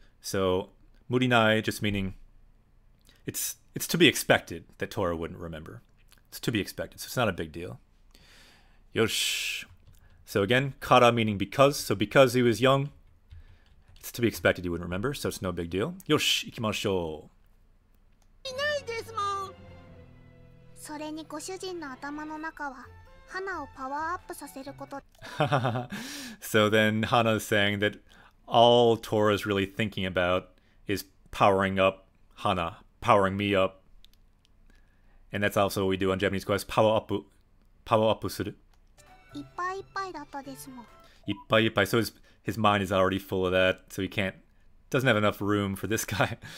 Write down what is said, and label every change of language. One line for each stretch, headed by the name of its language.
English: So murinai just meaning it's to be expected that Tora wouldn't remember. It's to be expected, so it's not a big deal. Yosh. So again, kara meaning because he was young, it's to be expected he wouldn't remember, so it's no big deal.
Japanese: Yosh, ikimashou. Murinai desu mo. それにご主人の頭の中は花をパワーアップさせること。
English: So then Hana is saying that all Tora is really thinking about is powering up Hana, powering me up. And that's also what we do on Japanese quest, power up する。
Japanese: いっぱいいっぱいだったですもん。いっぱいいっぱい。
English: So his mind is already full of that, so he can't, doesn't have enough room for this guy.